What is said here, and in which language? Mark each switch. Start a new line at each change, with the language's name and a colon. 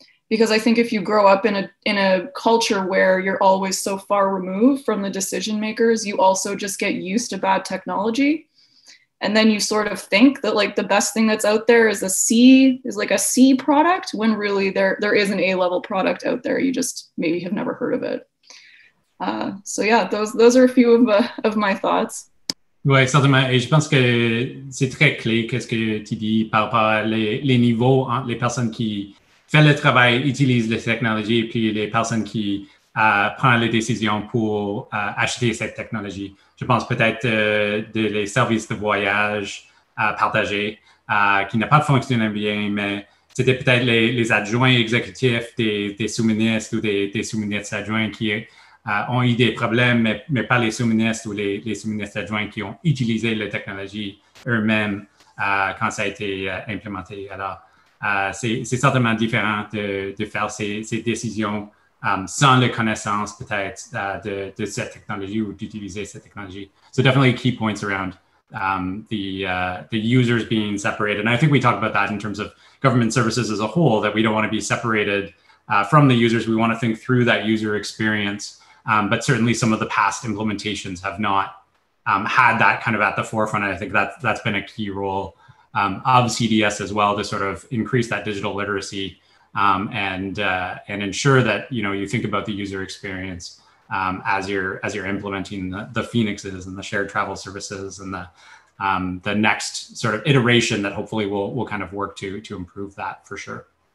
English: Because I think if you grow up in a culture where you're always so far removed from the decision makers, you also just get used to bad technology. And then you sort of think that like the best thing that's out there is like a C product, when really there is an A-level product out there. You just maybe have never heard of it. Those are a few of my thoughts.
French: Oui, certainement. Et je pense que c'est très clé qu'est-ce que tu dis par rapport à les niveaux entre les personnes qui font le travail, utilisent les technologies, et puis les personnes qui prennent les décisions pour acheter cette technologie. Je pense peut-être des services de voyage partagés qui n'ont pas fonctionné bien, mais c'était peut-être les adjoints exécutifs des sous-ministres ou des sous-ministres adjoints qui ont eu des problèmes, mais pas les sous-ministres ou les sous-ministres adjoints qui ont utilisé la technologie eux-mêmes quand ça a été implémenté. Alors, c'est certainement différent de faire ces décisions sans la connaissance peut-être de cette technologie ou d'utiliser cette technologie.
English: So definitely key points around the users being separated. And I think we talked about that in terms of government services as a whole, that we don't want to be separated from the users. We want to think through that user experience. But certainly some of the past implementations have not had that kind of at the forefront. And I think that's been a key role of CDS as well, to sort of increase that digital literacy and ensure that, you know, you think about the user experience as you're implementing the Phoenixes and the shared travel services and the next sort of iteration that hopefully will kind of work to improve that for sure.